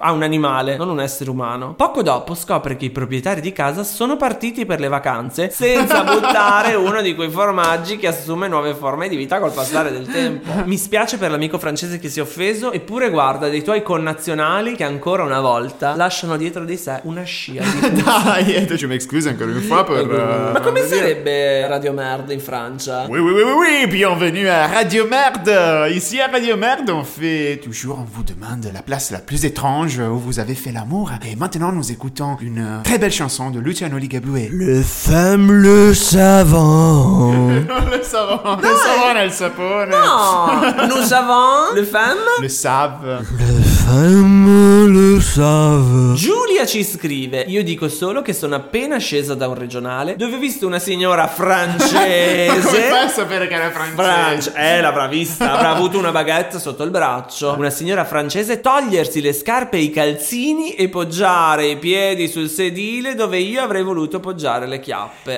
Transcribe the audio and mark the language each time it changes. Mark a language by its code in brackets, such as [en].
[it] Ah, un animale, non un essere umano. Poco dopo scopre che i proprietari di casa sono partiti per le vacanze senza buttare uno di quei formaggi che assume nuove forme di vita col passare del tempo. Mi spiace per l'amico francese che si offende, eppure guarda dei tuoi connazionali che ancora una volta lasciano dietro di sé una scia di dai, ci mi scusi ancora un po' per ma come sarebbe Radio Merde in Francia? [fr] Oui, bienvenue à Radio Merde. Ici à Radio Merde on fait toujours, on vous demande la place la plus étrange où vous avez fait l'amour, et maintenant nous écoutons une très belle chanson de Luciano Ligabue, le femme le savant. le savant non, nous savons le femme le save. Le femme le save. [it] Giulia ci scrive: io dico solo che sono appena scesa da un regionale dove ho visto una signora francese. Ma come fai a sapere che era francese? La bravista. Avrà avuto una baguette sotto il braccio. Una signora francese togliersi le scarpe e i calzini e poggiare i piedi sul sedile dove io avrei voluto poggiare le chiappe.